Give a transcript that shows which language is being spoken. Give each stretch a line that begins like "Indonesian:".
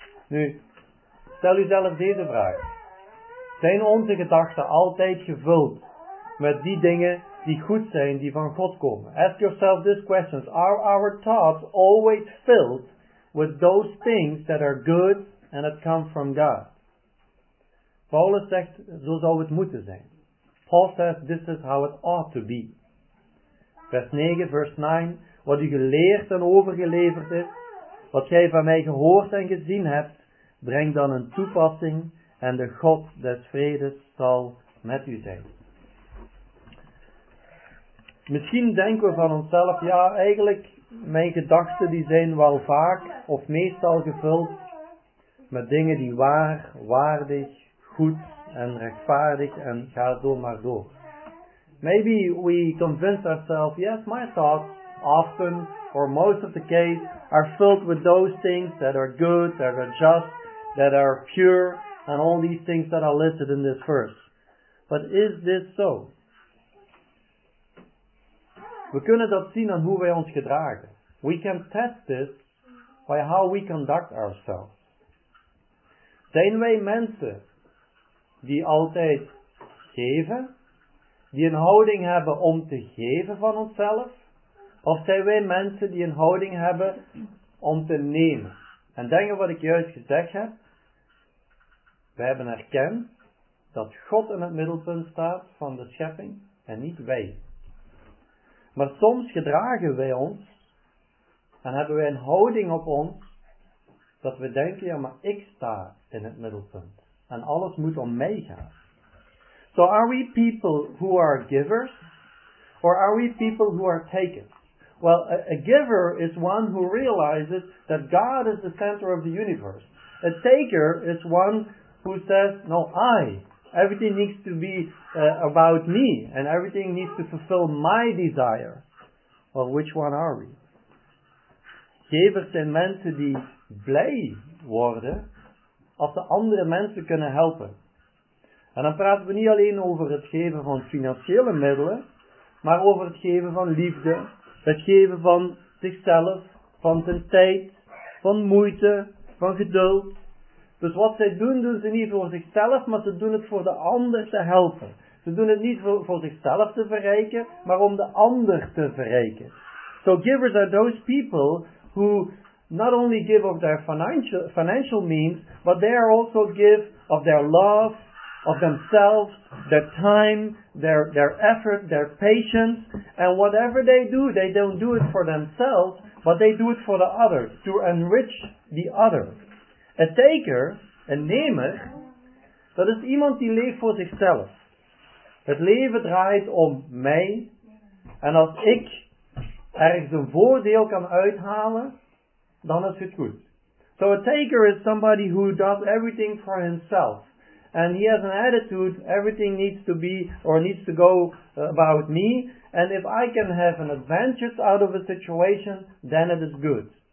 Dutch: Nu, stel u zelf deze vraag. Zijn onze gedachten altijd gevuld met die dingen die goed zijn, die van God komen?
English: Ask yourself these questions. Are our thoughts always filled with those things that are good and that come from God?
Dutch: Paulus zegt, zo zou het moeten zijn.
English: Paul says, this is how it ought to be.
Dutch: Vers 9, vers 9. Wat u geleerd en overgeleverd is, wat jij van mij gehoord en gezien hebt, breng dan een toepassing en de God des vredes zal met u zijn. Misschien denken we van onszelf, ja, eigenlijk, mijn gedachten die zijn wel vaak of meestal gevuld met dingen die waar, waardig, goed en rechtvaardig en ga door maar door.
English: Maybe we convince ourselves, yes, my thoughts often or most of the case are filled with those things that are good, that are just, that are pure and all these things that are listed in this verse. But is this so?
Dutch: We kunnen dat zien aan hoe wij ons gedragen.
English: We can test this by how we conduct ourselves.
Dutch: Zijn wij mensen die altijd geven, die een houding hebben om te geven van onszelf, of zijn wij mensen die een houding hebben om te nemen? En denk aan wat ik juist gezegd heb. We hebben erkend dat God in het middelpunt staat van de schepping en niet wij. Maar soms gedragen wij ons en hebben wij een houding op ons dat we denken, ja, maar ik sta in het middelpunt en alles moet om mij gaan.
English: So are we people who are givers or are we people who are takers? Well, a giver is one who realizes that God is the center of the universe. A taker is one who says, no, everything needs to be about me and everything needs to fulfill my desire. Well, which one are we?
Dutch: Gevers zijn mensen die blij worden als ze andere mensen kunnen helpen. En dan praten we niet alleen over het geven van financiële middelen, maar over het geven van liefde, het geven van zichzelf, van zijn tijd, van moeite, van geduld. Dus wat zij doen, doen ze niet voor zichzelf, maar ze doen het voor de ander te helpen. Ze doen het niet voor zichzelf te verrijken, maar om de ander te verrijken.
English: So givers are those people who not only give of their financial means, but they are also give of their love, of themselves, their time, their effort, their patience, and whatever they do, they don't do it for themselves, but they do it for the others, to enrich the other. A taker,
Dutch: a nemer, dat is iemand die leeft voor zichzelf. Het leven draait om mij, en als ik ergens een voordeel kan uithalen, dan is het goed.
English: So a taker is somebody who does everything for himself. And he has an attitude, everything needs to be or needs to go about me. And if I can have an advantage out of a situation, then it is good.